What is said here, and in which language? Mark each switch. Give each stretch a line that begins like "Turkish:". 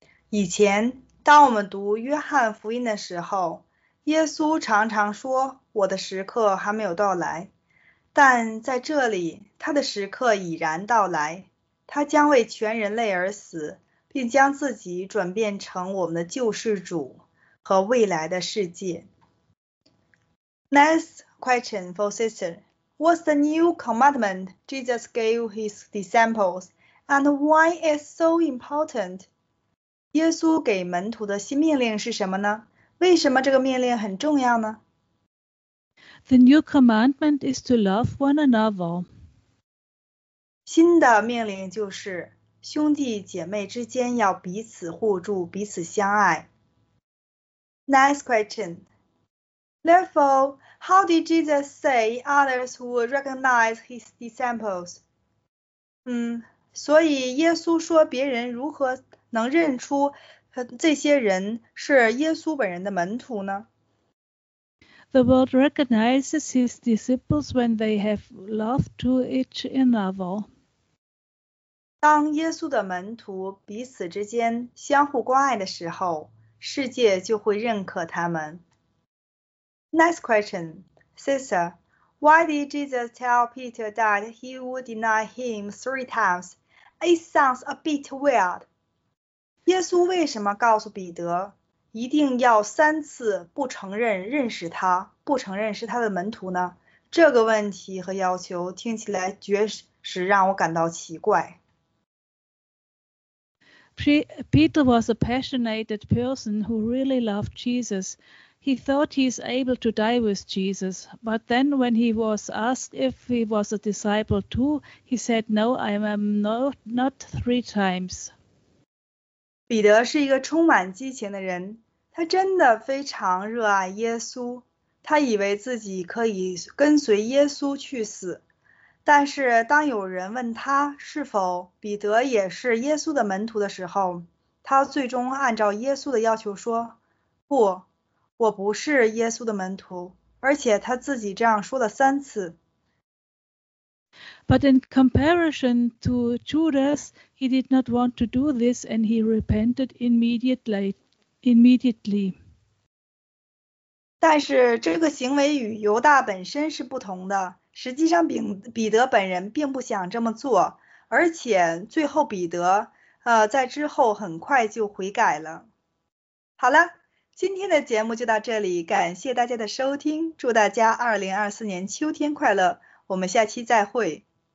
Chinese: 以前，当我们读约翰福音的时候，耶稣常常说，我的时刻还没有到来。但在这里，他的时刻已然到来。他将为全人类而死，并将自己转变成我们的救世主。和未来的世界。
English: Next question for sister. What's the new commandment Jesus gave his disciples and why is so important?
Chinese: 耶稣给门徒的新命令是什么呢？为什么这个命令很重要呢？
English: The new commandment is to love one another.
Chinese: 新的命令就是兄弟姐妹之间要彼此互助，彼此相爱。
English: Next question. Therefore, how did Jesus say others would recognize his disciples?
Chinese: 所以耶稣说别人如何能认出这些人是耶稣本人的门徒呢？
English: The world recognizes his disciples when they have love to each another.
Chinese: 当耶稣的门徒彼此之间相互关爱的时候，世界就会认可他们。
English: Next question. Sister, why did Jesus tell Peter that he would deny him three times? It sounds a bit weird.
Chinese: 耶稣为什么告诉彼得一定要三次不承认认识他，不承认是他的门徒呢？这个问题和要求听起来确实让我感到奇怪。
English: Peter was a passionate person who really loved Jesus. He thought he is able to die with Jesus. But then when he was asked if he was a disciple too, he said, No, I am not three times.
Chinese: 彼得是一个充满激情的人，他真的非常热爱耶稣。他以为自己可以跟随耶稣去死。但是当有人问他是否彼得也是耶稣的门徒的时候，他最终按照耶稣的要求说，不，我不是耶稣的门徒，而且他自己这样说了三次。
English: But in comparison to Judas, he did not want to do this and he repented immediately.
Chinese: 但是这个行为与犹大本身是不同的。实际上彼得本人并不想这么做，而且最后彼得在之后很快就悔改了。好了，今天的节目就到这里，感谢大家的收听，祝大家2024年秋天快乐，我们下期再会。